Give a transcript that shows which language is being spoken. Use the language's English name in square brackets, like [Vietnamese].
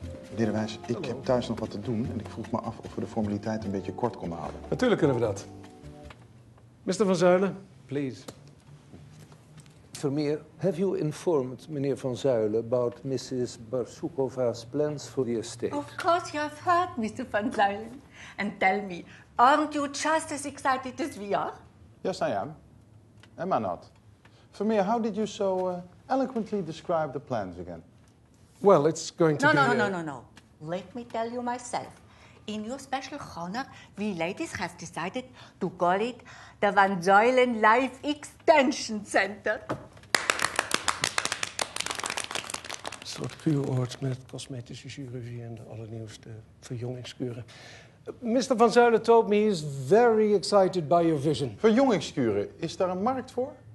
[Dutch] Meneer de Wijs, ik heb thuis nog wat te doen en ik vroeg me af of we de formaliteit een beetje kort konden houden. Natuurlijk kunnen we dat. [English] Mr. Van Zuylen, please. Vermeer, have you informed meneer Van Zuylen about Mrs. Borshakova's plans for the estate? Of course you have heard, Mr. Van Zuylen. And tell me, aren't you just as excited as we are? Yes, I am. Am I not? Vermeer, how did you so eloquently describe the plans again? Well, it's going to No. Let me tell you myself. In your special honor, we ladies have decided to call it the Van Zuylen Life Extension Center. [Dutch] Een soort kuuroord met cosmetische chirurgie en de allernieuwste verjongingskuren. [English] Mr. Van Zuylen told me he is very excited by your vision. [Dutch] Verjongingskuren, is daar een markt voor?